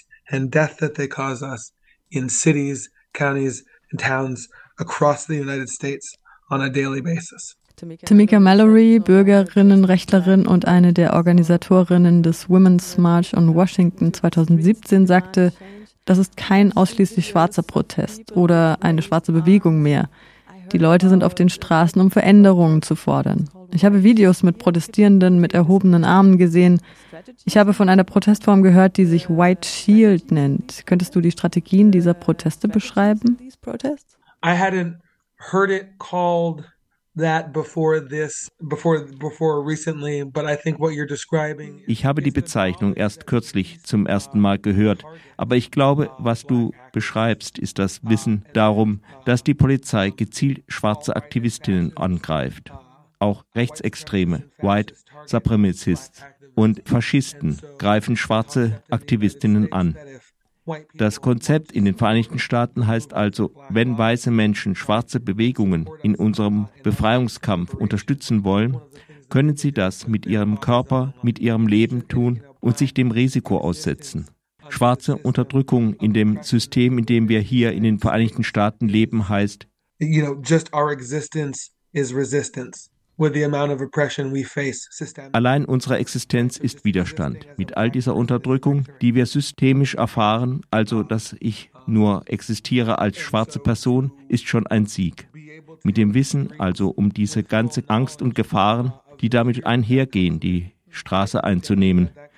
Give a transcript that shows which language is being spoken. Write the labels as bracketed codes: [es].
[en] And death that they cause us in cities, counties, and towns across the United States on a daily basis. [de] Tamika Mallory, Bürgerinnenrechtlerin und eine der Organisatorinnen des Women's March on Washington 2017, sagte, das ist kein ausschließlich schwarzer Protest oder eine schwarze Bewegung mehr. Die Leute sind auf den Straßen, um Veränderungen zu fordern. Ich habe Videos mit Protestierenden mit erhobenen Armen gesehen. Ich habe von einer Protestform gehört, die sich White Shield nennt. Könntest du die Strategien dieser Proteste beschreiben? [en] I hadn't heard it called that before recently, but I think what you're describing. [de] Ich habe die Bezeichnung erst kürzlich zum ersten Mal gehört, aber ich glaube, was du beschreibst, ist das Wissen darum, dass die Polizei gezielt schwarze Aktivistinnen angreift. Auch Rechtsextreme, White Supremacists und Faschisten greifen schwarze Aktivistinnen an. Das Konzept in den Vereinigten Staaten heißt also, wenn weiße Menschen schwarze Bewegungen in unserem Befreiungskampf unterstützen wollen, können sie das mit ihrem Körper, mit ihrem Leben tun und sich dem Risiko aussetzen. Schwarze Unterdrückung in dem System, in dem wir hier in den Vereinigten Staaten leben, heißt, [en] you know, just our existence is resistance. With the amount of oppression we face systemically. [de] Allein unsere Existenz ist Widerstand. Mit all dieser Unterdrückung, die wir systemisch erfahren, also dass ich nur existiere als schwarze Person, ist schon ein Sieg. Mit dem Wissen, also um diese ganze Angst und Gefahren, die damit einhergehen, die Straße einzunehmen.